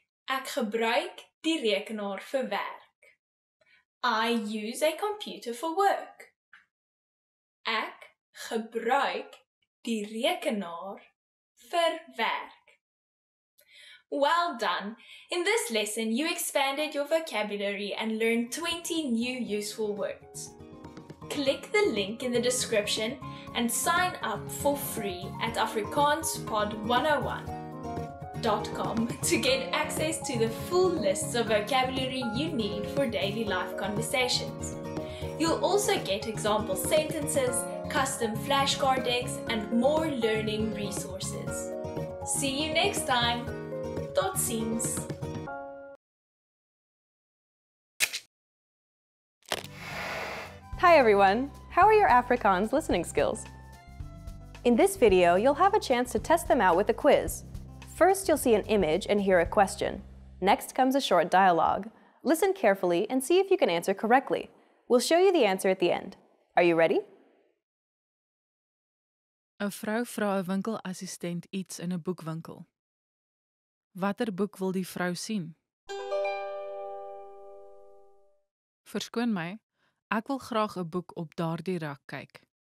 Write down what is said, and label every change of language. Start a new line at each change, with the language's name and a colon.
Afrikaans: Ek gebruik die rekenaar vir werk.
English: I use a computer for work.
Afrikaans: Ek gebruik die rekenaar vir werk.
English: Well done! In this lesson, you expanded your vocabulary and learned 20 new useful words. Click the link in the description and sign up for free at AfrikaansPod101.com to get access to the full lists of vocabulary you need for daily life conversations. You'll also get example sentences, custom flashcard decks, and more learning resources. See you next time. Tot ziens. Hi everyone. How are your Afrikaans listening skills? In this video, you'll have a chance to test them out with a quiz. First, you'll see an image and hear a question. Next comes a short dialogue. Listen carefully and see if you can answer correctly. We'll show you the answer at the end. Are you ready?
Afrikaans: 'N vrou vra 'n winkelassistent iets in 'n boekwinkel. Watter boek wil die vrou sien? Verskoon my, ek wil graag 'n boek op daardie rak kyk.